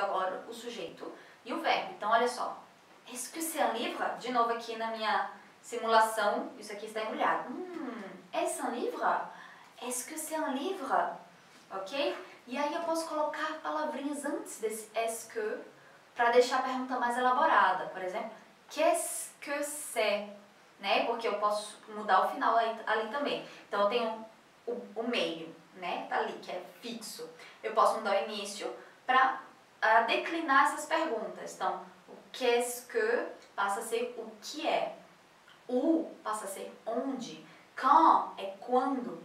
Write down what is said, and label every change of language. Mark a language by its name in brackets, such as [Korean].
[Portuguese] Agora, o sujeito e o verbo. Então, olha só. [French] Est-ce que c'est un livre? [Portuguese] De novo aqui na minha simulação, isso aqui está embrulhado. [French] Est-ce un livre? Est-ce que c'est un livre? [Portuguese] Ok? E aí eu posso colocar palavrinhas antes desse est-ce que para deixar a pergunta mais elaborada. Por exemplo, [French] qu'est-ce que c'est? [Portuguese] Né? Porque eu posso mudar o final ali também. Então eu tenho o meio, né? Tá ali, que é fixo. Eu posso mudar o início para declinar essas perguntas. Então, qu'est-ce que passa a ser o que é. O passa a ser onde. Quand é quando.